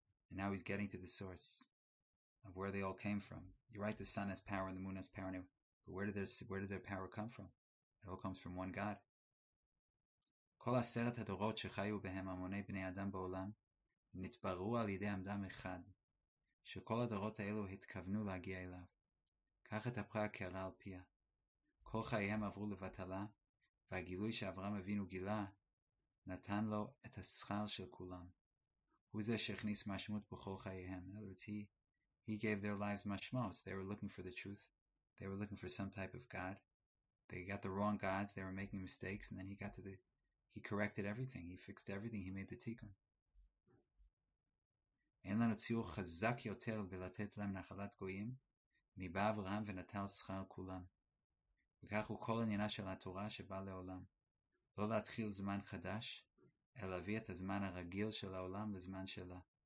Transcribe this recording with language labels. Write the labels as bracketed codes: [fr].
[en] And now he's getting to the source of where they all came from. You're right, the sun has power and the moon has power. But where did their power come from? It all comes from one God. [he] כל 10 הדורות שחיו בהם המוני בני אדם בעולם, נתבררו על ידי אדם אחד, שכל הדורות האלו התכוונו להגיע אליו. כך התהפכה הקערה על פיה. כל חייהם עברו לבטלה, והגילוי שאברהם אבינו גילה, נתן לו את השכר של כולם. הוא זה שהכניס משמעות בכל חייהם. [en] In other words, he gave their lives mashmaot. They were looking for the truth. They were looking for some type of God. They got the wrong gods. They were making mistakes. And then he got to the... He corrected everything. He fixed everything. He made the tikkun. [he] אין לנו ציור חזק יותר ולתת להם נחלת גויים מבא אברהם ונטל שכר כולם. וכך הוא כל עניינה של התורה שבא לעולם. לא להתחיל זמן חדש, אלא להביא את הזמן הרגיל של העולם לזמן שלה.